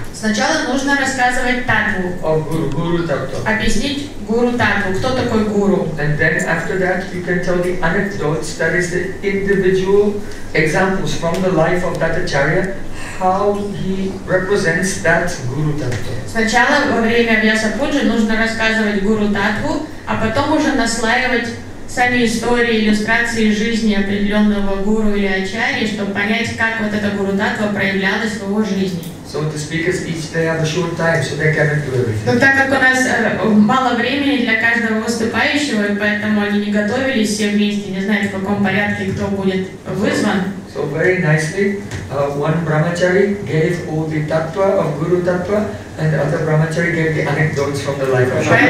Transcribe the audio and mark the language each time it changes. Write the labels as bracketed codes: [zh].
[ru] Сначала нужно рассказывать татву. Гуру татву. Объяснить гуру татву. Кто такой гуру? [en] And then after that you can tell the anecdotes, that is the individual examples from the life of that acharya, how he represents that guru tattva. [ru] Сначала во время Вьяса Пуджи нужно рассказывать гуру татву, а потом уже наслаивать сами истории, иллюстрации жизни определенного гуру или ачарьи, чтобы понять, как вот эта гуру-татва проявлялась в его жизни. [en] So the speakers each day have a short time, so they cannot do everything. [ru] Но так как у нас мало времени для каждого выступающего, и поэтому они не готовились все вместе, не знают, в каком порядке кто будет вызван. [en] So very nicely, one brahmachari gave all the tattva of guru tattva, and the other brahmachari gave the anecdotes from the life of